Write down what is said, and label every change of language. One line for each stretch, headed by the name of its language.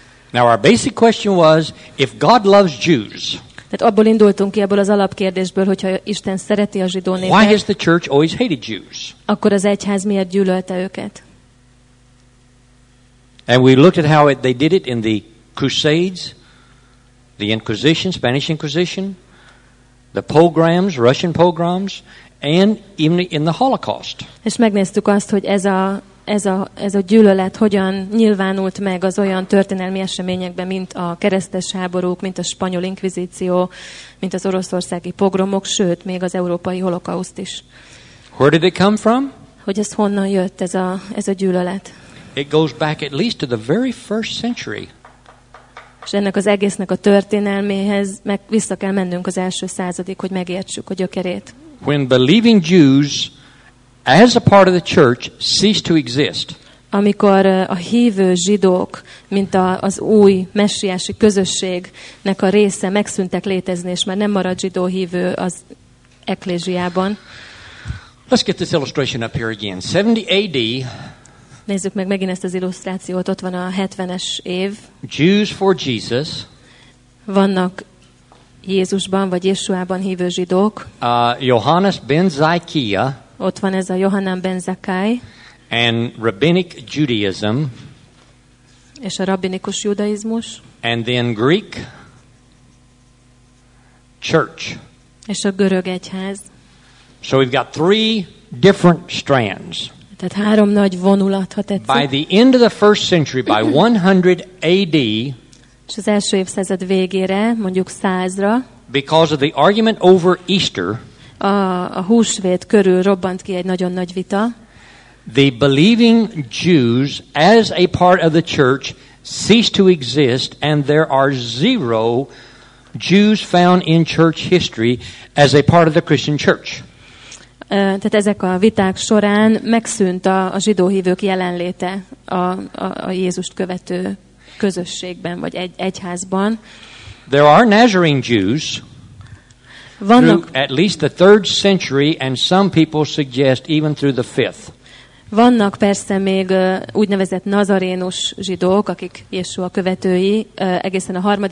English: Now our basic question was, if God loves Jews.
Hungarian: Tehát abból indultunk ki, ebből az alapkérdésből, hogyha Isten szereti a zsidó népet.
English: Why has the church always hated Jews?
Hungarian: Akkor az egyház miért gyűlölte őket?
English: And we looked at how they did it in the Crusades, the Inquisition, Spanish Inquisition, the pogroms, Russian pogroms, and even in the Holocaust.
Hungarian: És megnéztük azt, hogy ez a gyűlölet hogyan nyilvánult meg az olyan történelmi eseményekben, mint a keresztes háborúk, mint a spanyol inkvizíció, mint az oroszországi pogromok, sőt, még az európai holokauszt is.
English: Where did it come from?
Hungarian: Hogy ez honnan jött ez a gyűlölet?
English: It goes back at least to the very first century.
Hungarian: És ennek az egésznek a történelméhez meg vissza kell mennünk az első századig, hogy megértsük a gyökerét.
English: When believing Jews as a part of the church ceased to exist.
Hungarian: Amikor a hívő zsidók, mint az új messiási közösségnek a része megszűntek létezni, és már nem maradt zsidó hívő az eklésiában.
English: Let's get this illustration up here again. 70 AD.
Hungarian: Nézzük meg megint ezt az illusztrációt, ott van a 70-es év.
English: Jews for Jesus.
Hungarian: Vannak Jézusban vagy Jesuában hívő zsidók.
English: Johannes ben Zakkai.
Hungarian: Ott van ez a Johannán ben Zakkai.
English: And rabbinic Judaism.
Hungarian: És a rabbinikus judaizmus.
English: And then Greek church.
Hungarian: És a görög egyház.
English: So we've got three different strands.
Hungarian: Tehát három nagy vonulat, ha tetszik.
English: By the end of the first century, by 100 AD,
Hungarian: és az első évszázad végére, mondjuk 100-ra,
English: because of the argument over Easter,
Hungarian: a húsvét körül robbant ki egy nagyon nagy vita,
English: the believing Jews as a part of the church ceased to exist, and there are zero Jews found in church history as a part of the Christian church.
Hungarian: Tehát ezek a viták során megszűnt a zsidó hívők jelenléte a Jézust követő közösségben vagy egyházban.
English: There are Nazarene Jews.
Hungarian: Vannak
English: at least the 3rd century and some people suggest even through the 5th.
Hungarian: Vannak persze még úgynevezett nazarénus zsidók, akik Jézus követői egészen a 3.